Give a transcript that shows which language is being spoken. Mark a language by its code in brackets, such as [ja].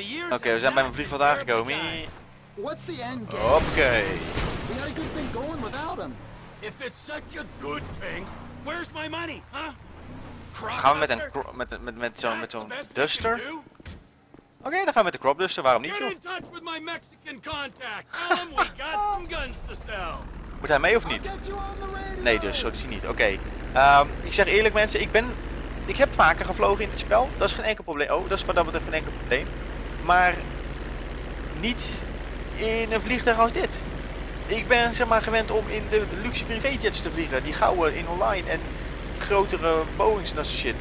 [nl] Oké, we zijn bij mijn vliegveld aangekomen. [en] What's the end game? Okay. We had a good thing going without him. If it's such a good thing, where's my money, huh? [nl] Gaan we met een met zo'n duster? Okay, dan gaan we met de crop duster. Waarom niet, joh? [en] Get in touch with my Mexican contact. Tell him we got some guns to sell. [nl] Moet hij mee of niet? Nee, dus zo is hij niet. Okay. Ik zeg eerlijk, mensen, ik heb vaker gevlogen in dit spel. Dat is geen enkel probleem. Oh, dat is wat dat betreft geen enkel probleem. Maar niet in een vliegtuig als dit. Ik ben zeg maar gewend om in de luxe privéjets te vliegen. Die gouden in online en grotere Boeings en dat soort shit.